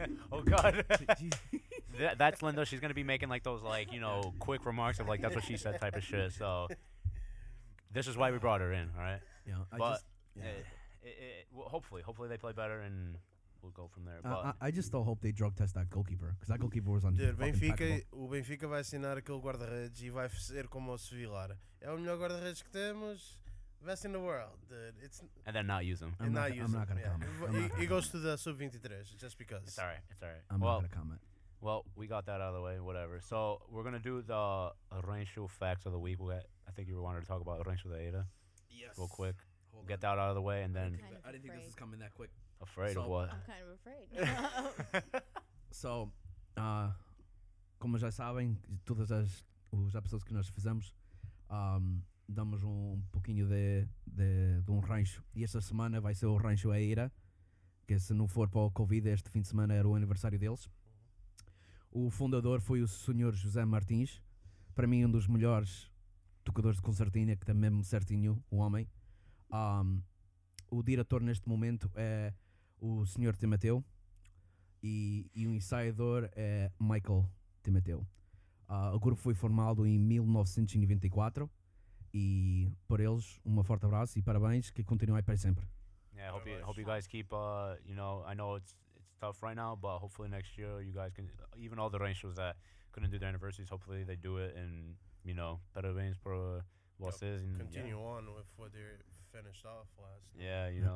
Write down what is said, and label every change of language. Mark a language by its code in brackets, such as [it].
[en] Oh, God. That's Linda. She's going to be making, like, those, like, you know, quick remarks of, like, that's what she said type of shit. So this is why we brought her in, all right? Yeah. Hopefully they play better and we'll go from there. I just still hope they drug test that goalkeeper because that goalkeeper was on. [pt] Dude, Benfica vai assinar aquele guarda-redes e vai ser como o Sevilla. É o melhor guarda-redes que temos. [en] Best in the world, dude. And then not use him. I'm not gonna comment. He goes to the sub-23 just because. It's all right. I'm not gonna comment. Well, we got that out of the way. Whatever. So we're gonna do the Rancho facts of the week. I think you wanted to talk about Rancho de Ada. Yes. Real quick. Hold on. Get that out of the way, and then. I didn't think this was coming that quick. Afraid of what? I'm kind of afraid. [pt] So, como já sabem, todas as pessoas que nós fizemos, damos um pouquinho de um rancho. E esta semana vai ser o Rancho Eira, que se não for para o Covid, este fim de semana era o aniversário deles. O fundador foi o Sr. José Martins, para mim um dos melhores tocadores de concertina, que também é mesmo certinho, o homem. O diretor neste momento é o Sr. Timoteu, e o ensaiador é Michael Timoteu. O grupo foi formado em 1994, e por eles, um forte abraço e parabéns, que continuem aí para sempre. [en] Yeah, hope you guys keep, you know, I know it's tough right now, but hopefully next year you guys can, even all the ranchos that couldn't do their anniversaries, hopefully they do it, and, you know, [pt] parabéns para vocês. [en] Yep. Continue on with what they're... finished off last year. Yeah, you know.